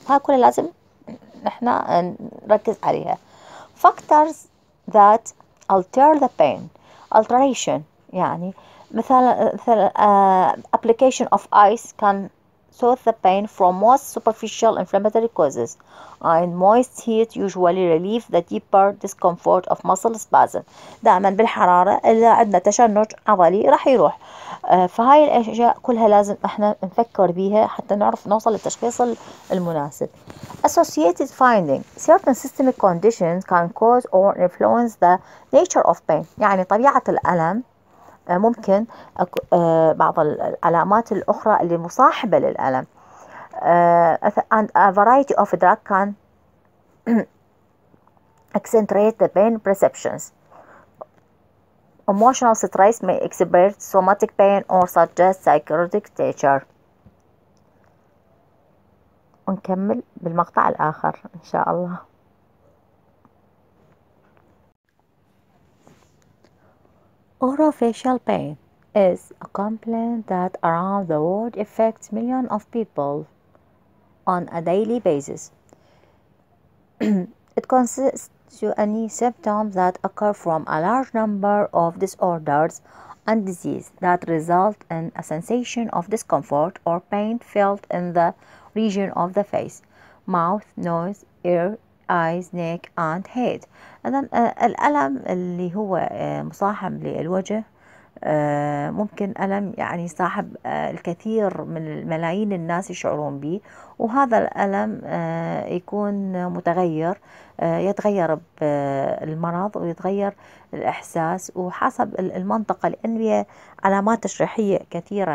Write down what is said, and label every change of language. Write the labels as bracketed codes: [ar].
[ar] ها كلها لازم نحنا نركز عليها. [en] Factors that alter the pain. Alteration [ar] يعني مثلا [en] application of ice can soothe the pain from most superficial inflammatory causes and moist heat usually relieve the deeper discomfort of muscle spasm. [ar] دائما بالحرارة اللي عندنا تشنج عضلي راح يروح. فهاي الأشياء كلها لازم احنا نفكر بيها حتى نعرف نوصل للتشخيص المناسب. [en] Associated finding. Certain systemic conditions can cause or influence the nature of pain. [ar] يعني طبيعة الألم ممكن بعض العلامات الأخرى اللي مصاحبة للألم. [en] And a variety of drugs can accentuate the pain perceptions. Emotional stress may exhibit somatic pain or suggest psychotic nature. [ar] ونكمل بالمقطع الآخر إن شاء الله. [en] Orofacial pain is a complaint that around the world affects millions of people on a daily basis. It consists of any symptoms that occur from a large number of disorders and diseases that result in a sensation of discomfort or pain felt in the region of the face, mouth, nose, ear, eyes, neck, and head. [ar] إذن الألم اللي هو مصاحب للوجه ممكن ألم يعني صاحب الكثير من ملايين الناس يشعرون به، وهذا الألم يكون متغير، يتغير بالمرض ويتغير الإحساس وحسب المنطقة، لأن هي علامات تشريحية كثيرة.